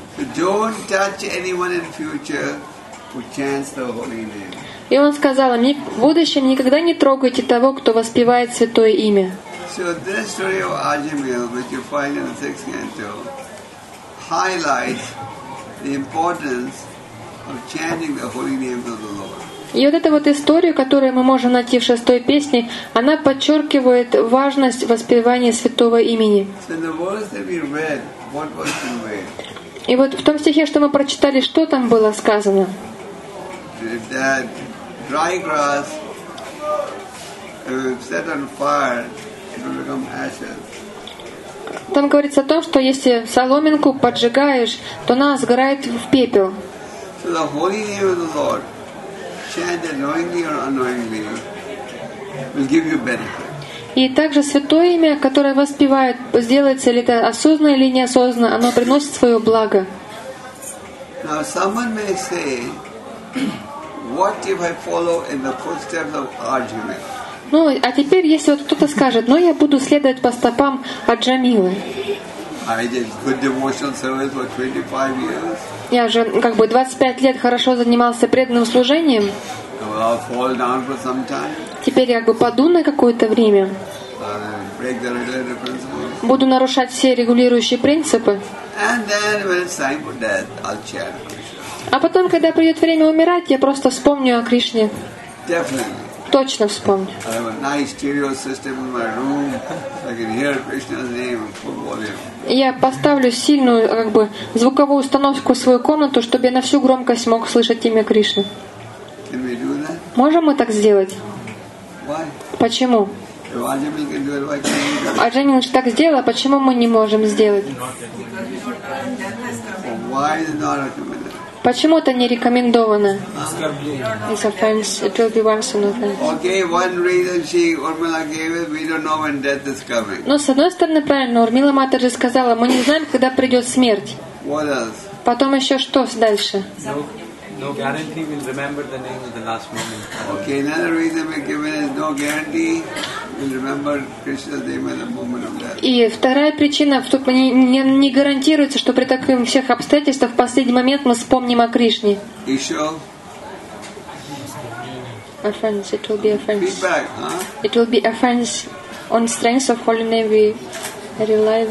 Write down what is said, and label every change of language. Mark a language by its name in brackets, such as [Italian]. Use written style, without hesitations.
[English] So don't touch anyone in future who chants the holy name. [Russian] И он сказал: «В будущем никогда не трогайте того, кто воспевает святое имя». [English] So this story of Ajamil, which you find in the sixth canto, highlights the importance of chanting the holy names of the Lord. [Russian] И вот эта вот история, которую мы можем найти в шестой песне, она подчеркивает важность воспевания святого имени. [English] So in the verse that we read, what was conveyed? [Russian] И вот в том стихе, что мы прочитали, что там было сказано? [English] That dry grass, if set on fire, it will become ashes. [Russian] Там говорится о том, что если соломинку поджигаешь, то она сгорает в пепел. [English] So the holy name of the Lord, chanted knowingly or unknowingly, will give you benefit. [Russian] И также святое имя, которое воспевают, сделается ли это осознанно или неосознанно, оно приносит свое благо. [English] Now someone may say, "What if I follow in the footsteps of Arjuna?" [Russian] Ну, а теперь если вот кто-то скажет: "Но я буду следовать по стопам Аджамилы." [English] I did good devotional service for 25 years. [Russian] Я же как бы 25 лет хорошо занимался преданным служением. [English] Well, I'll fall down for some time. [Russian] Теперь я как бы паду на какое-то время. [English] Break the regulatory principles. [Russian] Буду нарушать все регулирующие принципы. [English] And then when it's time for death, I'll chant. [Russian] А потом, когда придет время умирать, я просто вспомню о Кришне. [English] Definitely. [Russian] Точно вспомню. [English] I have a nice stereo system in my room. I can hear Krishna's name in full volume. [Russian] Я поставлю сильную как бы звуковую установку в свою комнату, чтобы я на всю громкость мог слышать имя Кришны. [English] Can we do that? [Russian] Можем мы так сделать? [English] Why? [Russian] Почему? [English] If Ajamil can do it, why can't we do it? [Russian] Ajamil же так сделал, а почему мы не можем сделать? [English] Why is it not recommended? [Russian] Почему это не рекомендовано? [English] It's offense. It will be once an offense. Okay, one reason she Urmila gave is we don't know when death is coming. [Russian] Но с одной стороны правильно, Урмила Мата же сказала, мы не знаем, когда придет смерть. [English] What else? [Russian] Потом еще что дальше? [English] No guarantee we'll remember the name at the last moment. Okay, another reason we're given is no guarantee we'll remember Krishna's name at the moment of death. [Russian] И вторая причина, чтобы не гарантируется, что при таких всех обстоятельствах в последний момент мы вспомним о Кришне. Еще? [English] Offense, it will be offense. Feedback, huh? It will be offense on strength of holy name we rely on.